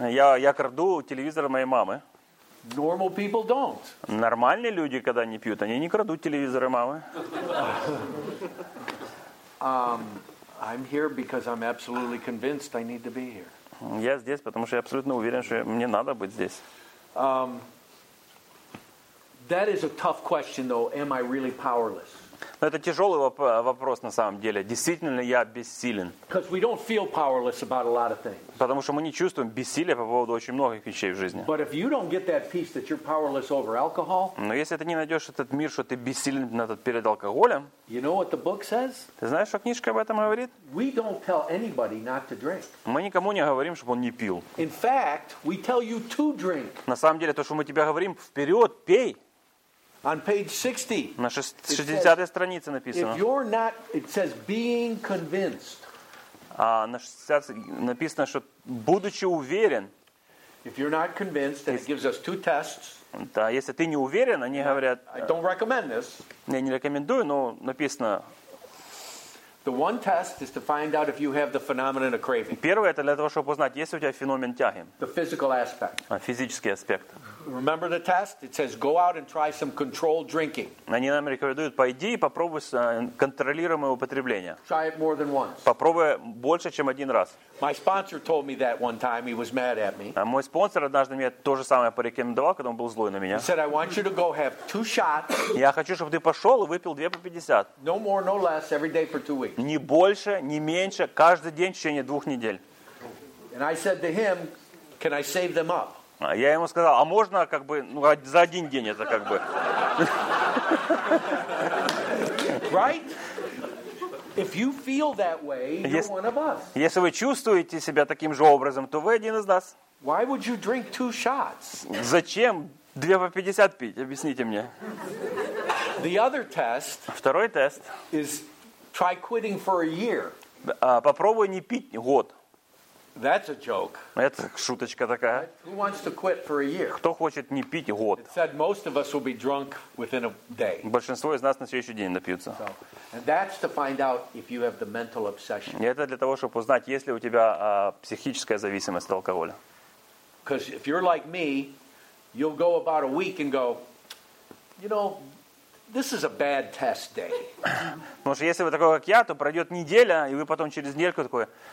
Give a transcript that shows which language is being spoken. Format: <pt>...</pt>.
<ru>Я краду телевизор моей мамы.</ru> <en>Normal people don't.</en> <ru>Нормальные люди, когда не пьют, они не крадут телевизоры мамы.</ru> <en>I'm here because I'm absolutely convinced I need to be here.</en> <ru>Я здесь, потому что я абсолютно уверен, что мне надо быть здесь.</ru> <en>That is a tough question, though. Am I really powerless?</en> <ru>Но это тяжелый вопрос на самом деле. Действительно ли я бессилен?</ru> <en>Because we don't feel powerless about a lot of things.</en> <ru>Потому что мы не чувствуем бессилия по поводу очень многих вещей в жизни.</ru> <en>But if you don't get that peace that you're powerless over alcohol,</en> <ru>но если ты не найдешь этот мир, что ты бессилен на этот перед алкоголем,</ru> <en>you know what the book says?</en> <ru>Ты знаешь, что книжка об этом говорит?</ru> <en>We don't tell anybody not to drink.</en> <ru>Мы никому не говорим, чтобы он не пил.</ru> <en>In fact, we tell you to drink.</en> <ru>На самом деле, то, что мы тебе говорим, вперед, пей.</ru> <en>On page 60.</en> <ru>На 60-й странице написано.</ru> <en>If you're not, it says being convinced.</en> <ru>На 60-й написано, что будучи уверен.</ru> <en>If you're not convinced, then it gives us two tests.</en> <ru>Да, если ты не уверен, они говорят.</ru> <en>I don't recommend this.</en> <ru>Я не рекомендую, но написано.</ru> <en>The one test is to find out if you have the phenomenon of craving.</en> <ru>Первое это для того, чтобы узнать, есть ли у тебя феномен тяги.</ru> <en>The physical aspect.</en> <ru>Физический аспект.</ru> <en>Remember the test? It says go out and try some controlled drinking.</en> <ru>Они нам рекомендуют: пойди и попробуй контролируемое употребление.</ru> <en>Try it more than once.</en> <ru>Попробуй больше, чем один раз.</ru> <en>My sponsor told me that one time. He was mad at me.</en> <ru>А мой спонсор однажды мне то же самое порекомендовал, когда он был злой на меня.</ru> <en>He said, I want you to go have two shots.</en> <ru>Я хочу, чтобы ты пошел и выпил две по 50.</ru> <en>No more, no less, every day for 2 weeks.</en> <ru>Ни больше, ни меньше, каждый день в течение 2 недель.</ru> <en>And I said to him, can I save them up?</en> <ru>Я ему сказал, а можно как бы ну, за один день это как бы.</ru> <en>Right? If you feel that way, you're one of us.</en> <ru>Если вы чувствуете себя таким же образом, то вы один из нас.</ru> <en>Why would you drink two shots?</en> <ru>Зачем две по 50 пить? Объясните мне.</ru> <en>The other test.</en> <ru>Второй тест.</ru> <en>Is try quitting for a year.</en> <ru>Попробуй не пить год.</ru> <en>That's a joke.</en> <ru>Это шуточка такая.</ru> <en>Who wants to quit for a year?</en> <ru>Кто хочет не пить год?</ru> <en>It said most of us will be drunk within a day.</en> <ru>Большинство из нас на следующий день напьются.</ru> <en>And that's to find out if you have the mental obsession.</en> <ru>И это для того, чтобы узнать, есть ли у тебя психическая зависимость от алкоголя.</ru> <en>Because if you're like me, you'll go about a week and go, you know, this is a bad test day.</en> <ru>Потому что если вы такой, как я, то пройдет неделя, и вы потом через недельку такой.</ru>